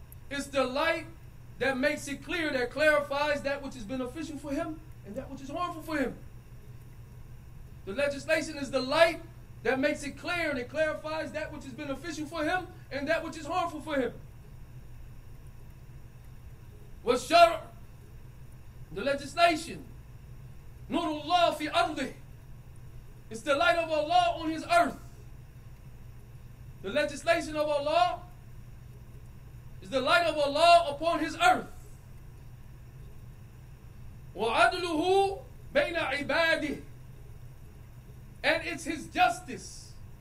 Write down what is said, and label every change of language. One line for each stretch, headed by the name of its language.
English: It's the light that makes it clear, that clarifies that which is beneficial for him and that which is harmful for him. The legislation is the light that makes it clear and it clarifies that which is beneficial for him and that which is harmful for him.
Arabic: وَالشَّرْعُ,
English: the legislation,
Arabic: نُورُ اللَّهِ فِي أَرْضِهِ.
English: It's the light of Allah on his earth. The legislation of Allah is the light of Allah upon his earth.
Arabic: وَعَدْلُهُ بَيْنَ عِبَادِهِ.
English: And it's his justice.